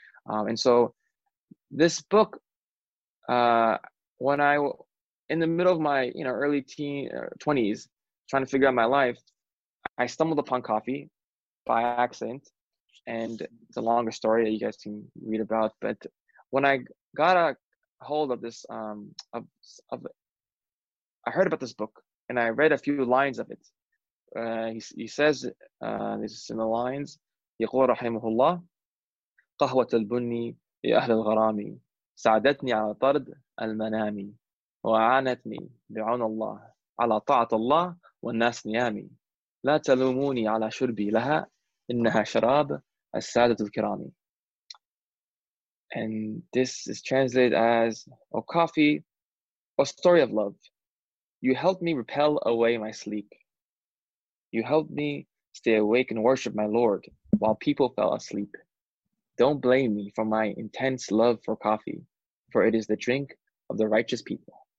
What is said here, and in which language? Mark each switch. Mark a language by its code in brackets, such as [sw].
[en] And so this book, when I, in the middle of my, early teen, 20s, trying to figure out my life, I stumbled upon coffee by accident. And it's a longer story that you guys can read about. But when I got a hold of this, I heard about this book and I read a few lines of it. He says, this is in the lines, [ar] يقول رحمه الله قهوة البني يا أهل الغرامي ساعدتني على طرد المنامي وعانتني بعون الله على طاعة الله والناس نيامي لا تلوموني على شربي لها إنها شراب السادة الكرامي. [en] And this is translated as, O coffee, O story of love, you helped me repel away my sleep. You helped me stay awake and worship my Lord while people fell asleep. Don't blame me for my intense love for coffee, for it is the drink of the righteous people.